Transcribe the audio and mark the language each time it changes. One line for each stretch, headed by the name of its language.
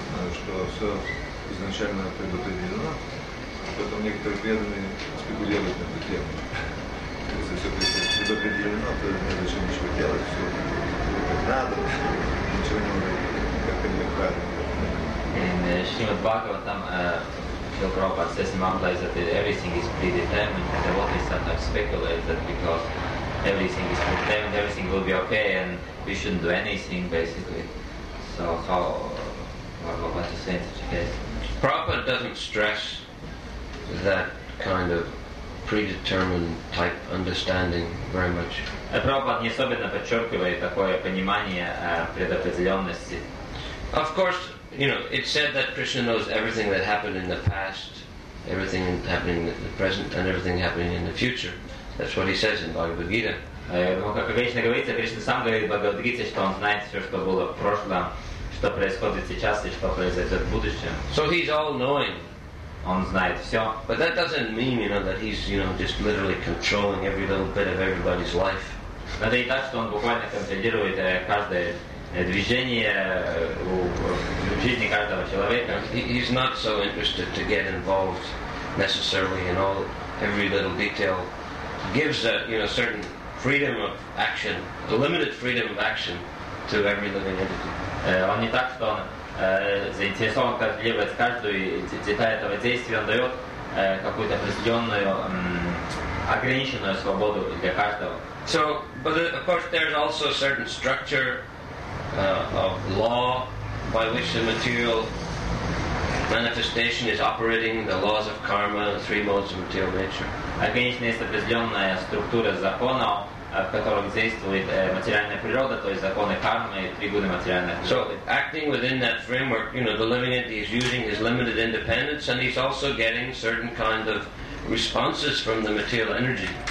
Russian: Изначально предопределено, поэтому некоторые преданные спекулируют на эту тему. Если все предопределено, то незачем ничего делать, все как надо, ничего не надо, как-то не правильно. И
English: Шримад Бхагаватам, Шрила Прабхупада says in one place that everything is predetermined, and the devotees sometimes speculate that because everything is predetermined, everything will be okay, and we shouldn't do anything, basically. So how, what about the sense of the case? Prabhupada doesn't stress that kind of predetermined type understanding very much.
Russian: Prabhupada не особенно подчеркивает такое понимание предопределенности.
English: Of course, you know, it's said that Krishna knows everything that happened in the past, everything happening in the present, and everything happening in the future. That's what he says in Bhagavad Gita.
Russian: Как обычно говорится, Кришна сам говорит в Бхагавад Гите, что он знает все, что было в прошлом, что происходит сейчас и что произойдет в будущем.
English: So he's all knowing.
Russian: Он знает все.
English: But that doesn't mean, you know, that he's, you know, just literally controlling every little bit of everybody's life.
Russian: Но это не так, что он буквально контролирует каждое движение в жизни каждого человека.
English: He's not so interested to get involved necessarily in all every little detail. Gives a, you know, certain freedom of action, a limited freedom of action to every living entity.
Russian: Он не так, что он заинтересован контролировать каждую деталь этого действия, он дает какую-то определенную ограниченную свободу для каждого.
English: So, but of course there's also a certain structure of law by which the material manifestation is operating, the laws of karma, the three modes of material nature.
Russian: Конечно, есть определенная структура законов, в которых действует материальная природа, то есть законы кармы и три года материальной природы.
English: So, acting within that framework, you know, the living entity is using his limited independence, and he's also getting certain kind of responses from the material energy.